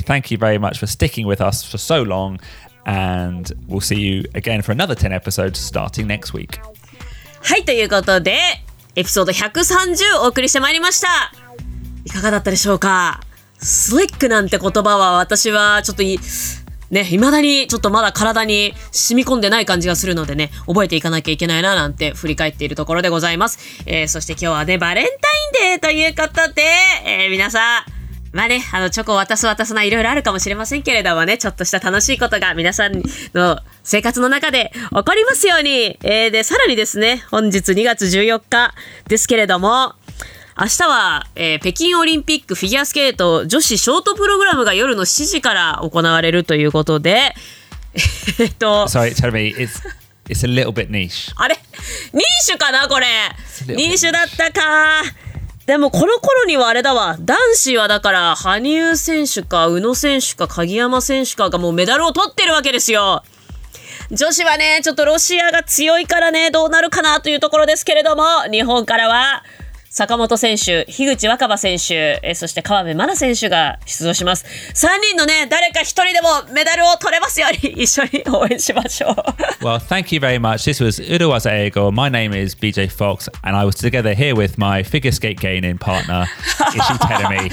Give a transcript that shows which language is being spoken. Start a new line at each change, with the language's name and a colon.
English: Thank you very much for sticking with us for so long. And we'll see you again for another 10 episodes starting next week.
Japanese: はい、ということで、エピソード130お送りしてまいりました。いかがだったでしょうか?スリックなんて言葉は私はちょっといい、ね、未だにちょっとまだ体に染み込んでない感じがするのでね、覚えていかなきゃいけないななんて振り返っているところでございます。そして今日はね、バレンタインデーということで、皆さん、まあね、チョコを渡す渡さないいろいろあるかもしれませんけれどもね、ちょっとした楽しいことが皆さんの生活の中で起こりますように。で、さらにですね、本日2月14日ですけれども、明日は、北京オリンピックフィギュアスケート女子ショートプログラムが夜の7時から行われるということで、
English: Sorry, tell me, it's a little bit niche.
Japanese: あれ、ニッシュかなこれ。ニッシュだったか。でもこの頃にはあれだわ、男子はだから羽生選手か宇野選手か鍵山選手かがもうメダルを取ってるわけですよ。女子はね、ちょっとロシアが強いからね、どうなるかなというところですけれども、日本からは坂本選手、樋口若葉選手、そして川辺真奈選手が出場します。 3人のね、誰か1人でもメダルを取れますように一緒に応援しましょう。
English: Well, thank you very much. This was Uru Waza Ego. My name is BJ Fox and I was together here with my figure skate gaining partner Ishii Terumi.